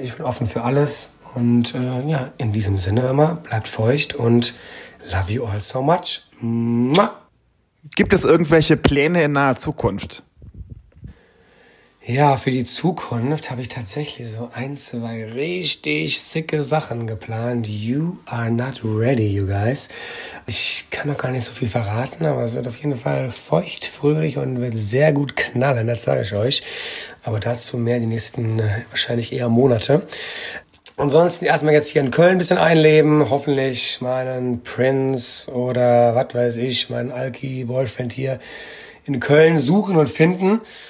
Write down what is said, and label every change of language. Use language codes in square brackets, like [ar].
[de] Ich bin offen für alles. Und ja, in diesem Sinne immer, bleibt feucht und [en] love you all so much. Mua. [de] Gibt es irgendwelche Pläne in naher Zukunft? Ja, für die Zukunft habe ich tatsächlich so ein, zwei richtig sicke Sachen geplant. [en] You are not ready, you guys. [de] Ich kann noch gar nicht so viel verraten, aber es wird auf jeden Fall feucht, fröhlich und wird sehr gut knallen, das sage ich euch. Aber dazu mehr die nächsten wahrscheinlich eher Monate. Ansonsten erstmal jetzt hier in Köln ein bisschen einleben, hoffentlich meinen Prinz oder was weiß ich, meinen Alki-Boyfriend hier in Köln suchen und finden.